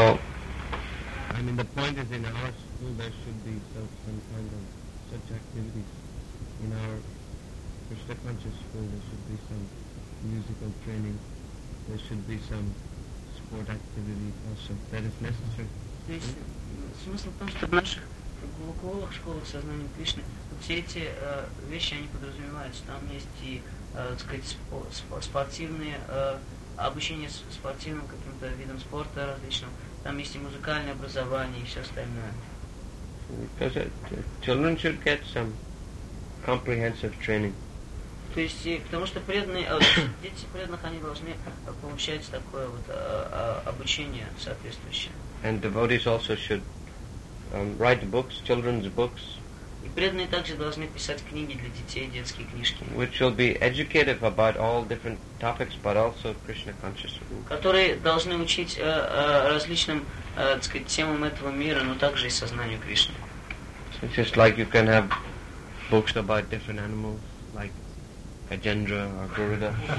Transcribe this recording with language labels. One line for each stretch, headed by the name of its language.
English: I mean, the point is, in our school there should be some kind of such activities. In our Krishna conscious school there should be some musical training, there should be some sport activity also that is necessary.
Russian: Смысл в том, что в наших глуколах, школах сознания Кришны, все эти вещи, они подразумеваются. Там есть и, так сказать, спортивные, обучение спортивным каким-то видом спорта различным. Там есть и музыкальное образование и все остальное.
English: Because children should get some comprehensive training.
Russian: То есть, потому что преданные, дети преданных, они должны получать такое вот обучение соответствующее.
English: And devotees also should write books, children's books.
Russian: И преданные также должны писать книги для детей, детские книжки.
English: Which will be educative about all different topics, but also Krishna consciousness.
Russian: Которые должны учить различным, так сказать, темам этого мира, но также и сознанию Кришны.
English: So just like you can have books about different animals, like Gajendra or Garuda.